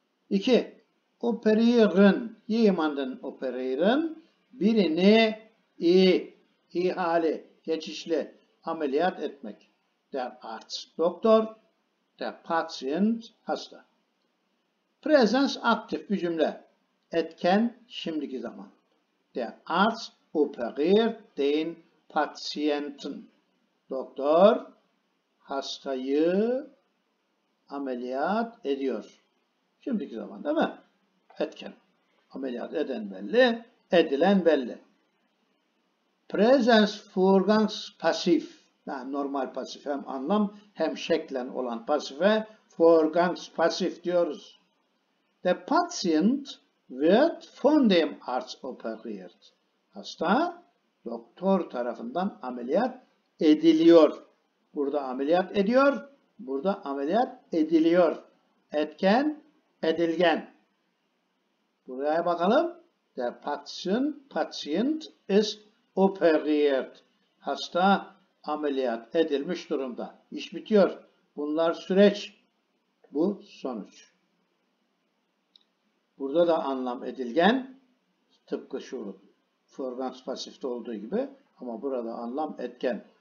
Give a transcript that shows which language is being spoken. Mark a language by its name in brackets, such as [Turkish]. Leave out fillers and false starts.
[German] 2. Operieren. Jemanden operieren. [Turkish] Birini ihale, geçişli ameliyat etmek. [German] Der Arzt, doktor. Der Patient, hasta. [Turkish] Präsens aktif bir cümle. Etken, şimdiki zaman. [German] Der Arzt operiert den Patienten. [Turkish] Doktor hastayı ameliyat ediyor. Şimdiki zaman, değil mi? Etken. Ameliyat eden belli, edilen belli. [German] Präsens Vorgangs passiv. [Turkish] Yani normal pasif, hem anlam hem şeklen olan pasife Vorgangs passiv diyoruz. [German] Der Patient wird von dem Arzt operiert. [Turkish] Hasta doktor tarafından ameliyat ediliyor. Burada ameliyat ediyor, burada ameliyat ediliyor. Etken, edilgen. Buraya bakalım. [German] Der Patient ist operiert. [Turkish] Hasta ameliyat edilmiş durumda. İş bitiyor. Bunlar süreç. Bu sonuç. Burada da anlam edilgen. Tıpkı şu Vorgangs passiv'de olduğu gibi. Ama burada anlam etken.